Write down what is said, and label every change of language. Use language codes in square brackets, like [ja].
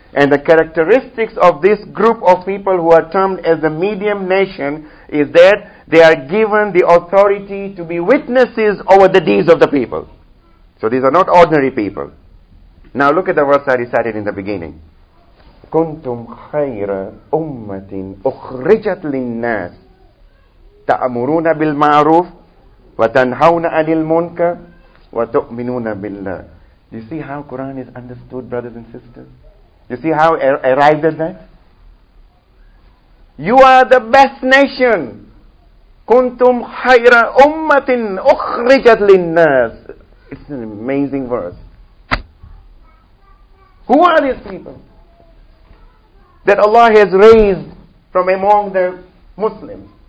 [en] And the characteristics of this group of people who are termed as a medium nation is that they are given the authority to be witnesses over the deeds of the people. So these are not ordinary people. Now look at the verse I recited in the beginning. [ar] كُنْتُمْ خَيْرَ أُمَّةٍ أُخْرِجَتْ لِلنَّاسِ تَأْمُرُونَ بِالْمَعْرُوفِ وَتَنْهَوْنَ عَنِ الْمُنْكَرِ وَتُؤْمِنُونَ بِاللَّهِ. [en] You see how Quran is understood, brothers and sisters? You see how I arrived at that? You are the best nation. [ar] Kuntum khayra ummatin ukhrijat linnas. [en] It's an amazing verse. Who are these people that Allah has raised from among the Muslims?